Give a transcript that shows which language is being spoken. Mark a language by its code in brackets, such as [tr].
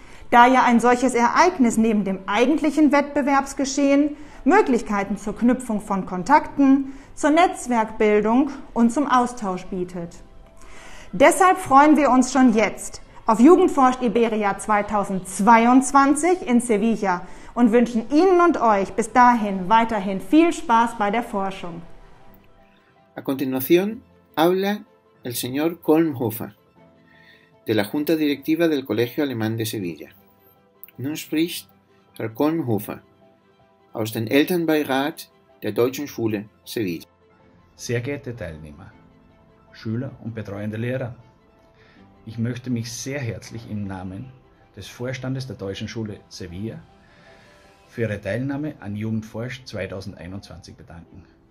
[de] Da ja ein solches Ereignis neben dem eigentlichen Wettbewerbsgeschehen Möglichkeiten zur Knüpfung von Kontakten, zur Netzwerkbildung und zum Austausch bietet. Deshalb freuen wir uns schon jetzt auf Jugendforscht Iberia 2022 in Sevilla und wünschen Ihnen und Euch bis dahin weiterhin viel Spaß bei der Forschung. [es] A continuación habla el señor Kolmhofer de la Junta Directiva del Colegio Alemán de Sevilla. [de] Nun spricht Herr Kolmhofer aus dem Elternbeirat der Deutschen Schule Sevilla. Sehr geehrte Teilnehmer, Schüler und betreuende Lehrer, ich möchte mich sehr herzlich im Namen des Vorstandes der Deutschen Schule Sevilla für Ihre Teilnahme an Jugendforsch 2021 bedanken.